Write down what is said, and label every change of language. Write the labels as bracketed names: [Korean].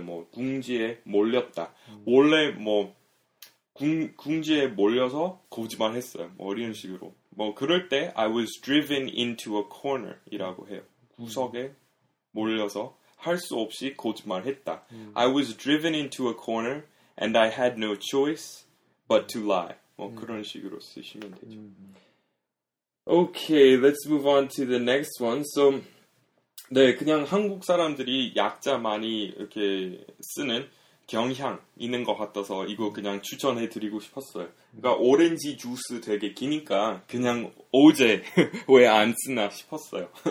[Korean] 뭐 궁지에 몰렸다. 원래 뭐 궁지에 몰려서 거짓말했어요. 뭐 이런 식으로. 뭐 그럴 때 [English] I was driven into a corner [Korean] 이라고 해요. 구석에 몰려서 할 수 없이 거짓말했다. [English] I was driven into a corner and I had no choice but to lie. [Korean] 뭐 그런 식으로 쓰시면 되죠. [English] Okay, let's move on to the next one. [Korean] So, 네, 그냥 한국 사람들이 약자 많이 이렇게 쓰는 경향 있는 것 같아서 이거 그냥 추천해드리고 싶었어요. 그러니까 오렌지 주스 되게 기니까 그냥 오제 왜 안 쓰나 싶었어요.